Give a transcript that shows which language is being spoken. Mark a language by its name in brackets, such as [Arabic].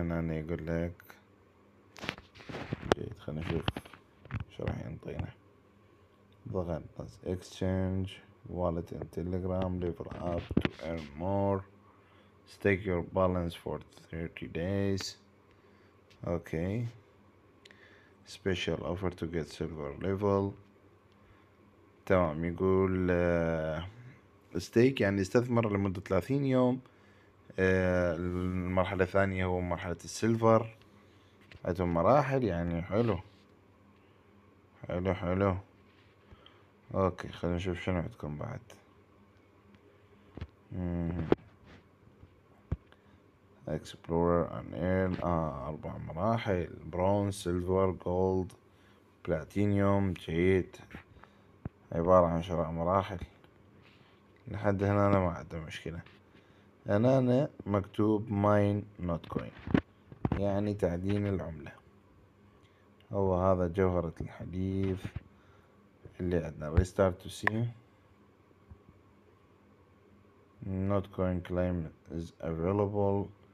[Arabic] انا يقول لك جيد، خلنا نشوف شو راح ينطينا. [English] ضغط بس اكسشنج والد ان تليجرام، ليفل اب تو ارن مور، stake your balance for 30 days. Okay. Special offer to get silver level. [Arabic] تمام، يقول stake يعني استثمر لمدة 30 يوم. المرحلة الثانية هو مرحلة السيلفر. عندهم مراحل يعني، حلو. حلو حلو. اوكي خلينا نشوف شنو عندكم بعد. [English] Explorer and Earn 4 مراحل، Bronze, Silver, Gold, Platinum. [Arabic] جيد، عبارة عن شراء مراحل. لحد هنا أنا ما عنده مشكلة. هنا أنا مكتوب Mine Not Coin، يعني تعدين العملة. هو هذا جوهرة الحديث اللي عندنا. [English] Restart to see Not Coin Claim is available.